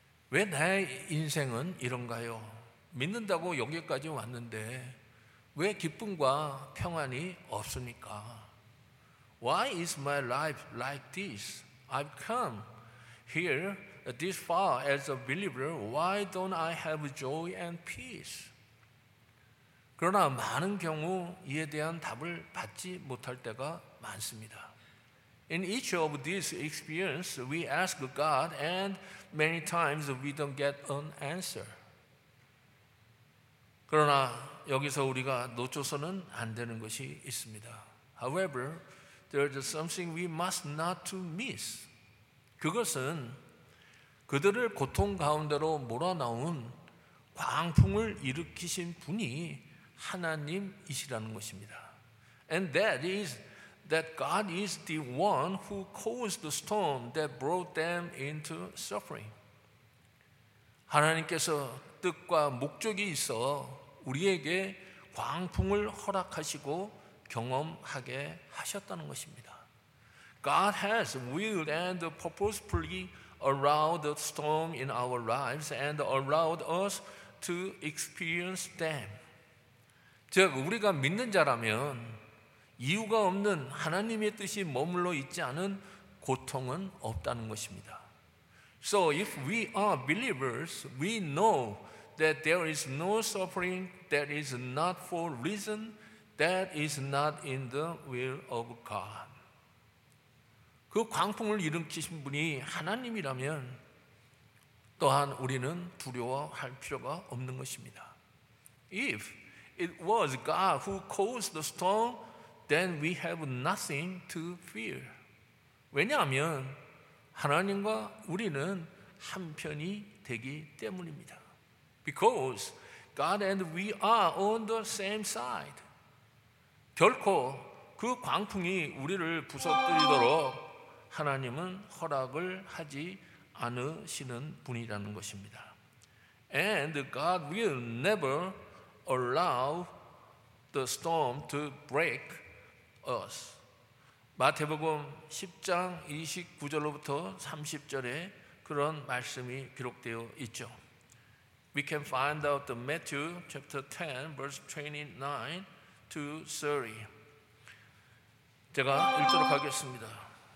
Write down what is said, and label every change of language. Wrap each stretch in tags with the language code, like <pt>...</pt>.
<ko>왜 내 인생은 이런가요? 믿는다고 여기까지 왔는데 왜 기쁨과 평안이 없습니까?</ko> <en>Why is my life like this? I've come here this far as a believer. Why don't I have joy and peace?</en> <ko>그러나 많은 경우 이에 대한 답을 받지 못할 때가 많습니다.</ko> <en>In each of these experiences, we ask God and many times we don't get an answer.</en> <ko>그러나 여기서 우리가 놓쳐서는 안 되는 것이 있습니다.</ko> <en>However, there is something we must not to miss.</en> <ko>그것은 그들을 고통 가운데로 몰아넣은 광풍을 일으키신 분이 하나님이시라는 것입니다.</ko> <en>And that is that God is the one who caused the storm that brought them into suffering.</en> <ko>하나님께서 뜻과 목적이 있어 우리에게 광풍을 허락하시고 경험하게 하셨다는 것입니다.</ko> <en>God has willed and purposefully allowed the storm in our lives and allowed us to experience them.</en> <ko>즉 우리가 믿는 자라면 이유가 없는 하나님의 뜻이 머물러 있지 않은 고통은 없다는 것입니다.</ko> <en>So if we are believers, we know that there is no suffering that is not for reason, that is not in the will of God.</en> <ko>그 광풍을 일으키신 분이 하나님이라면 또한 우리는 두려워할 필요가 없는 것입니다.</ko> <en>If it was God who caused the storm, then we have nothing to fear.</en> <ko>왜냐하면 하나님과 우리는 한편이 되기 때문입니다.</ko> <en>Because God and we are on the same side.</en> <ko>결코 그 광풍이 우리를 부서뜨리도록 하나님은 허락을 하지 않으시는 분이라는 것입니다.</ko> <en>And God will never allow the storm to break us.</en> <ko>마태복음 10장 29절로부터 30절에 그런 말씀이 기록되어 있죠.</ko> <en>We can find out the Matthew chapter 10 verse 29-30.</en> <ko>제가 읽도록 하겠습니다.</ko>